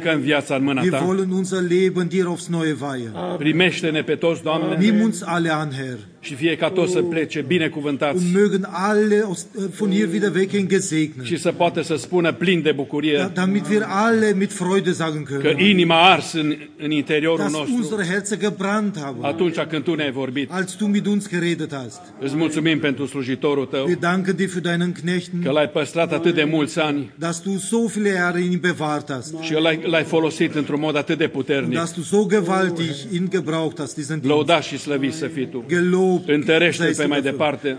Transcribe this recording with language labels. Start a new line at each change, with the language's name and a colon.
German: Wir wollen unser Leben dir aufs Neue weihen.
Romanian: Primește-ne pe toți, Doamne.
German: Nimm uns alle an, Herr.
Romanian: Și fie ca toți să plece binecuvântați.
German: Und mögen alle von hier wieder weggehen gesegnet.
Romanian: Și să poată să spună plin de bucurie.
German: Damit wir alle mit Freude sagen können.
Romanian: Că inima ars în interiorul nostru.
German: Dass unsere Herzen gebrannt haben.
Romanian: Atunci când Tu ne-ai vorbit.
German: Als du mit uns geredet hast.
Romanian: Îți mulțumim pentru slujitorul Tău.
German: Wir danken dir für deinen Knechten.
Romanian: Că l-ai păstrat atât de mulți ani.
German: Dass du so viele Jahre ihn bewahrt hast.
Romanian: Și l-ai folosit într-un mod atât de puternic.
German: Dass du so gewaltig ihn gebraucht hast, diesen Dienst.
Romanian: Lăuda și slăvit să fii Tu. Întărește-l pe mai departe.